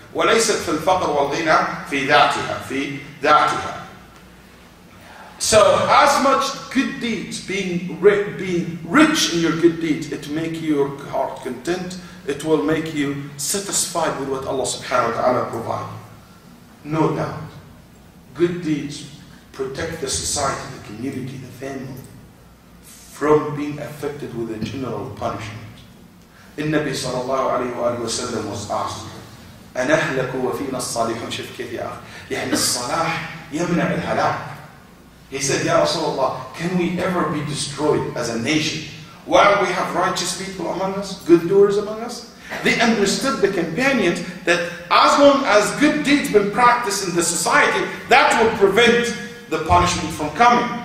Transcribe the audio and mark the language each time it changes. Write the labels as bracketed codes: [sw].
[ar] وليست في الفقر والغنى في ذاتها في ذاتها. [en] So as much good deeds, being rich in your good deeds, it make your heart content. It will make you satisfied with what Allah Subhanahu wa Taala provide. No doubt, good deeds protect the society, the community, the family from being affected with a general punishment. [ar] النبي صلى الله عليه وآله وسلم [en] was asked. [ar] أنهلك وفينا الصالحون شوف كيف يا أخي يعني الصلاح يمنع الهلاك. [en] He said [ar] يا رسول الله [en] can we ever be destroyed as a nation while we have righteous people among us, good doers among us? They understood the companions that as long as good deeds been practiced in the society, that will prevent the punishment from coming.